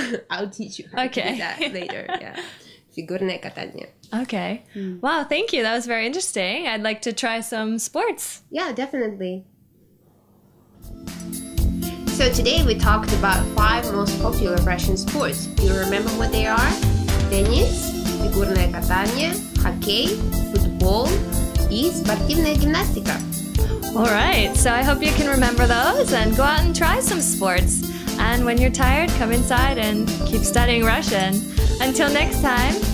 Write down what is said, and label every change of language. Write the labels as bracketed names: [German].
[English] I'll teach you how to do that later. Yeah. [Russian] Фигурное катание. [English] Okay. Mm. Wow, thank you. That was very interesting. I'd like to try some sports. Yeah, definitely. So today we talked about five most popular Russian sports. Do you remember what they are? [Russian] Tennis, фигурное катание, хоккей, футбол и спортивная гимнастика. [English] All right, so I hope you can remember those and go out and try some sports. And when you're tired, come inside and keep studying Russian. Until next time,